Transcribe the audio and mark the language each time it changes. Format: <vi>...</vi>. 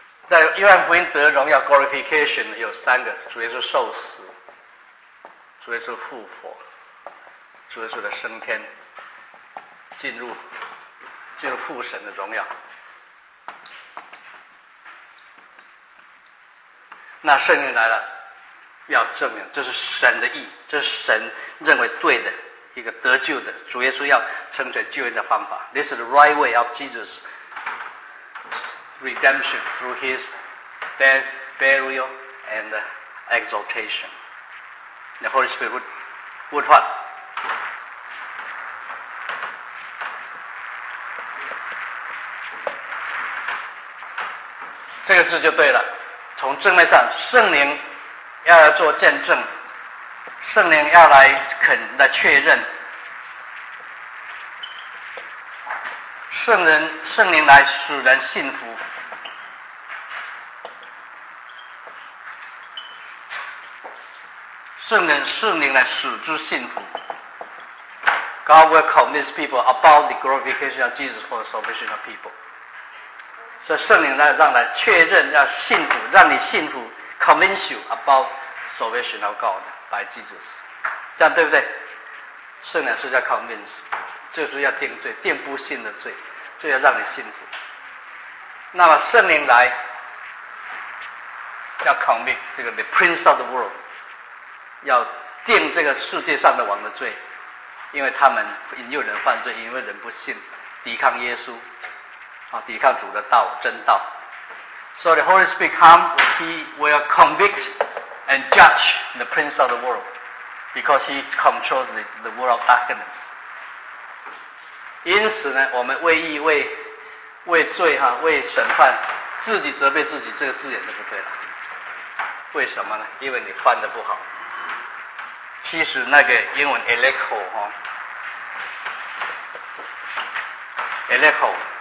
<zh>在约翰福音得荣耀 glorification 有三个：主耶稣受死，主耶稣复活，主耶稣的升天，进入父神的荣耀。那圣灵来了，要证明这是神的义，这是神认为对的，一个得救的，主耶稣要成全救恩的方法。</zh> <en>This is the right way of Jesus redemption through his death, burial, and exaltation. The Holy Spirit would what?</en> <zh>这个字就对了，从正面上，圣灵要来做见证，圣灵要来肯来确认，圣灵来使人信服，圣灵来使之信服。</zh> <en>God will convince people about the glorification of Jesus for the salvation of people.</en> <zh>所以圣灵呢，让来确认，要信服，让你信服 ，</zh> <en>convince you about salvation of God by Jesus，</en> <zh>这样对不对？圣灵是叫 convince， 就是要定罪，定不信的罪，就要让你信服。那么圣灵来要 convince 这个</zh> <en>the prince of the world，</en> <zh>要定这个世界上的王的罪，因为他们引诱人犯罪，因为人不信，抵抗耶稣。抵抗主的道，真道。</zh> <en>So the Holy Spirit come, he will convict and judge the prince of the world, because he controls the world of darkness.</en> <zh>因此呢，我们为义、为罪哈、为审判，自己责备自己，这个字眼就不对了。为什么呢？因为你犯的不好。其实那个英文 electo 哈 ，electo。</zh>